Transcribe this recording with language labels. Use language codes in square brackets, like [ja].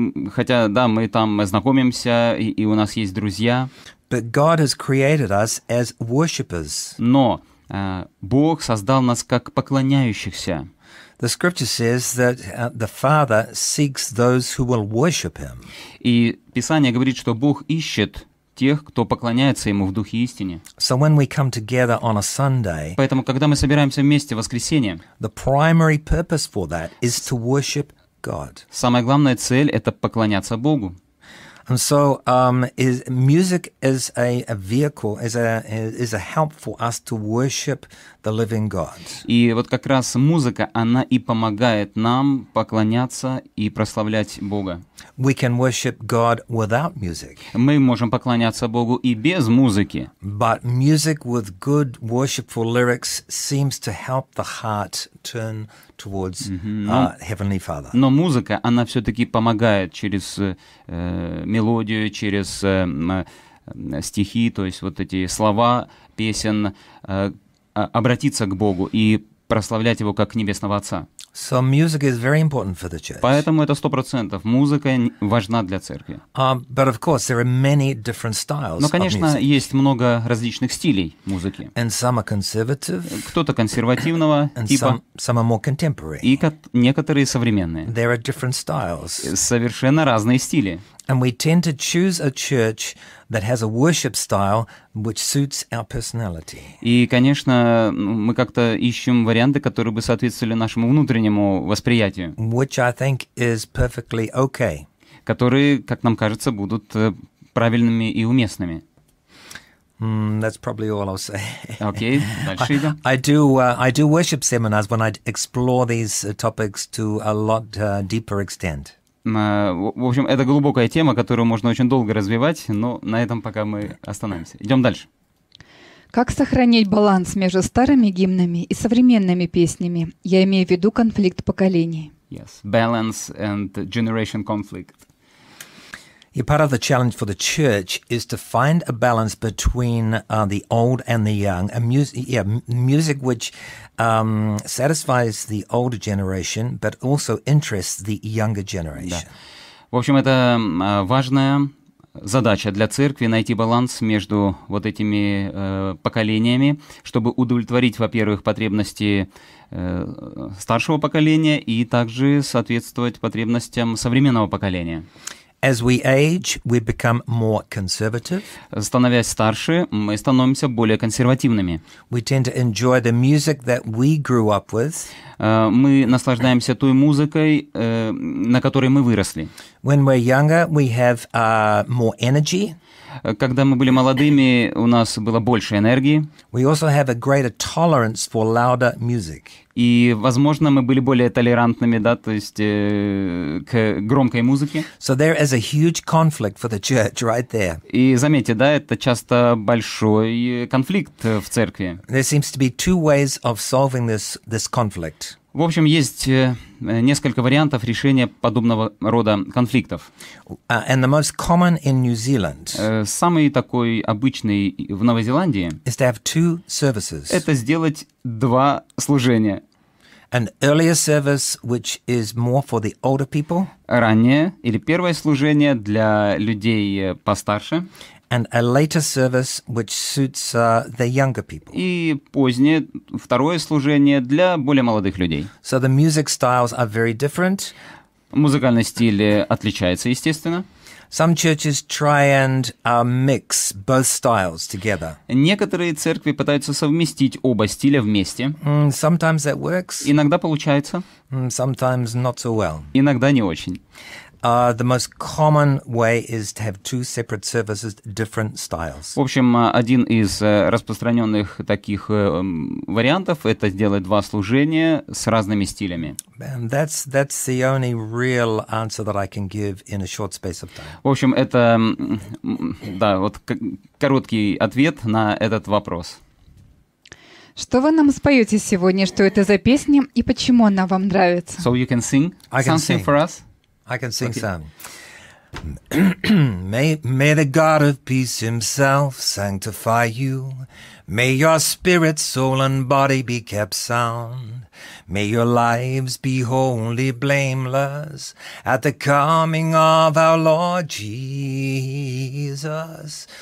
[ru] Хотя да, мы там знакомимся и у нас есть друзья. [en] But God has created us as worshippers. [ru] Но Бог создал нас как поклоняющихся. [en] The scripture says that the Father seeks those who will worship him. [ru] И Писание говорит, что Бог ищет тех, кто поклоняется Ему в Духе и Истине. [en] So when we come together on a Sunday, [ru] поэтому, когда мы собираемся вместе в воскресенье, [en] the primary purpose for that is to worship God. [ru] Самая главная цель — это поклоняться Богу. [en] And so, music is a vehicle, is a help for us to worship the living God. [ru] И вот как раз музыка, она и помогает нам поклоняться и прославлять Бога. [en] We can worship God without music. [ru] Мы можем поклоняться Богу и без музыки. [en] But music with good worshipful lyrics seems to help the heart turn towards Heavenly Father. [ru] Но музыка, она все-таки помогает через мелодию, через стихи, то есть вот эти слова песен, обратиться к Богу и прославлять Его как Небесного Отца. [en] So music is very important for the church. [ru] Поэтому это 100%. Музыка важна для церкви. [en] But of course, there are many different styles. [ru] Но, конечно, есть много различных стилей музыки. [en] And some are conservative. [ru] Кто-то консервативного типа. [en] Some are more contemporary. [ru] И некоторые современные. [en] There are different styles. [ru] Совершенно разные стили. [en] And we tend to choose a church that has a worship style which suits our personality. [ru] И, конечно, мы как-то ищем варианты, которые бы соответствовали нашему внутреннему восприятию. [en] Which I think is perfectly okay. [ru] Которые, как нам кажется, будут правильными и уместными. [en] That's probably all I'll say. Okay. I do worship seminars when I explore these topics to a lot deeper extent. [ru] В общем, это глубокая тема, которую можно очень долго развивать, но на этом пока мы остановимся. Идем дальше. Как сохранить баланс между старыми гимнами и современными песнями? Я имею в виду конфликт поколений. [en] Yes, balance and generation conflict. Yeah, part of the challenge for the church is to find a balance between the old and the young. Music which satisfies the older generation, but also interests the younger generation. [ru] Да. В общем, это важная задача для церкви — найти баланс между вот этими поколениями, чтобы удовлетворить, во-первых, потребности старшего поколения и также соответствовать потребностям современного поколения. [en] As we age, we become more conservative. [ru] Становясь старше, мы становимся более консервативными. [en] We tend to enjoy the music that we grew up with. [ru] Мы наслаждаемся той музыкой, на которой мы выросли. [en] When we're younger, we have more energy. [ru] Когда мы были молодыми, у нас было больше энергии. [en] We also have a greater tolerance for louder music. [ru] И, возможно, мы были более толерантными, да, то есть к громкой музыке. [en] So there is a huge conflict for the church right there. [ru] И заметьте, да, это часто большой конфликт в церкви. [en] There seems to be two ways of solving this conflict. [ru] В общем, есть несколько вариантов решения подобного рода конфликтов. [en] And the most common in New Zealand. [ru] Самый такой обычный в Новой Зеландии. [en] Is to have two services. [ru] Это сделать два служения. [en] An earlier service, which is more for the older people. [ru] Раннее или первое служение для людей постарше. [en] And a later service, which suits the younger people. [ru] И позднее второе служение для более молодых людей. [en] So the music styles are very different. [ru] Музыкальный стиль отличается, естественно. [en] Some churches try and mix both styles together. [ru] Некоторые церкви пытаются совместить оба стиля вместе. [en] Sometimes that works. [ru] Иногда получается. [en] Sometimes not so well. [ru] Иногда не очень. [en] The most common way is to have two separate services, different styles. [ru] В общем, один из распространенных таких вариантов – это сделать два служения с разными стилями. [en] And that's the only real answer that I can give in a short space of time. [ru] В общем, это да, вот короткий ответ на этот вопрос. Что вы нам споете сегодня? Что это за песня и почему она вам нравится? [en] So you can sing something for us. I can sing some. May the God of peace himself sanctify you. May your spirit, soul, and body be kept sound. May your lives be wholly blameless at the coming of our Lord Jesus.